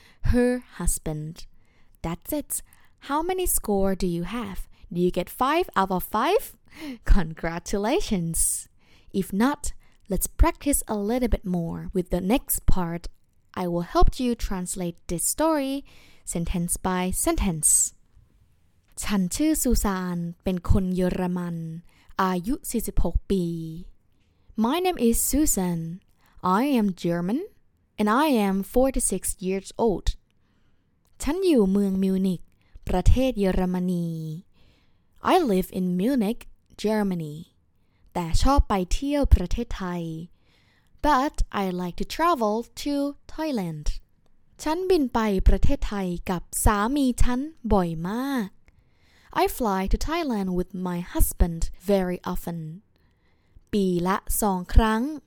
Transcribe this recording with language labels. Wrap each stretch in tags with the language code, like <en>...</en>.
<en>her husband that's it how many score do you have do you get 5 out of 5 congratulations if not let's practice a little bit more with the next part I will help you translate this storySentence by sentence.</en> <th>ฉันชื่อซูซานเป็นคนเยอรมันอายุ46ปี</th> <en>My name is Susan. I am German and I am 46 years old.</en> <th>ฉันอยู่เมืองมิวนิกประเทศเยอรมนี</th> <en>I live in Munich, Germany.</en> <th>แต่ชอบไปเที่ยวประเทศไทย</th> <en>But I like to travel to Thailand.</en> <th>ฉันบินไปประเทศไทยกับสามีฉันบ่อยมาก</th> <en>I fly to Thailand with my husband very often</en> <th>ปีละสองครั้ง</th>